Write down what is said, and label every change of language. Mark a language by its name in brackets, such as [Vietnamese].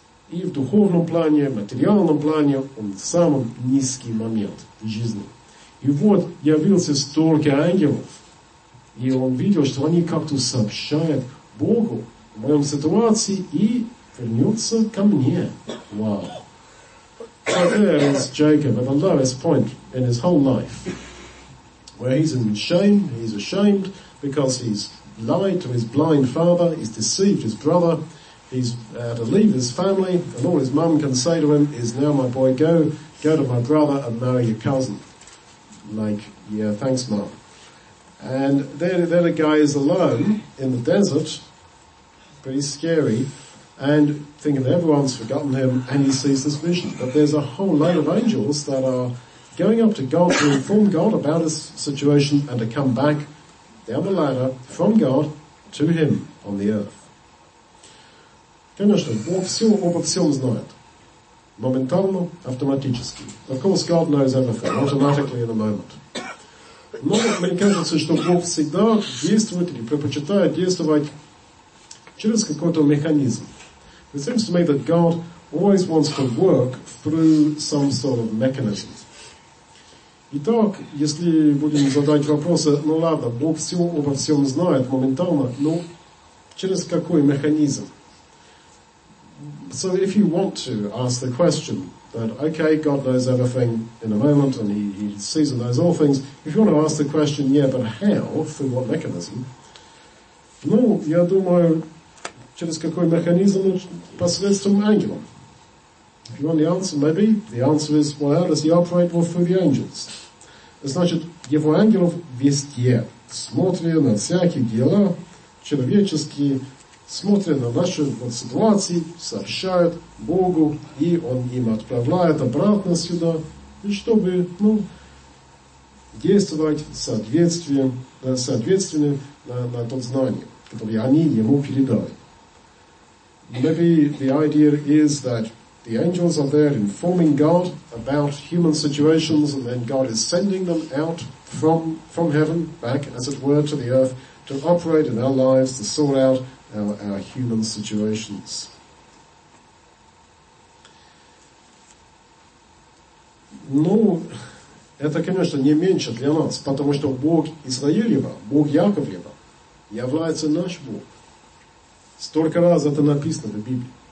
[Russian] И в духовном плане, в материальном плане, он в самом низкий момент жизни. И вот явился столько ангелов, и он видел, что они как-то сообщают Богу о моем ситуации и вернется ко мне. Вау. [English] So there is Jacob at the lowest point in his whole life, where he's in shame, he's ashamed, because he's lied to his blind father, he's deceived his brother, he's to leave his family, and all his mum can say to him is, now my boy, go to my brother and marry your cousin. Like, yeah, thanks, mum. And then a guy is alone in the desert, pretty scary, and thinking that everyone's forgotten him, and he sees this vision. But there's a whole load of angels that are going up to God to inform God about his situation and to come back down the ladder from God to him on the earth. [Russian] Конечно, во всем, обо всем знает. Моментально, автоматически. [English] Of course, God knows everything, automatically in a moment. [Russian] Но мне кажется, что Бог всегда действует или предпочитает действовать через какой-то механизм. [English] It seems to me that God always wants to work through some sort of mechanism. [Russian] Итак, если будем задать вопросы, ну ладно, Бог все обо всем знает моментально, но через какой механизм? [English] So if you want to ask the question that, okay, God knows everything in a moment and he sees and knows all things, if you want to ask the question, yeah, but how, through what mechanism? [Russian] Ну, я думаю, через какой механизм? Посредством ангела. [English] If you want the answer, maybe the answer is, well, how does he operate? Well, through the angels. [Russian] Значит, его ангелов везде. Смотрим на всякие дела человеческие, смотрим на наши вот ситуации, сообщают Богу, и он им отправляет обратно сюда, чтобы, ну, действовать соответственно на тот знание, которое они ему передали. [English] Maybe the idea is that the angels are there informing God about human situations, and then God is sending them out from heaven back, as it were, to the earth to operate in our lives, to sort out our human situations. [Russian] Ну, это, конечно, не меньше для нас, потому что Бог Израилева, Бог Яковлева, является наш Бог. Столько раз это написано в Библии.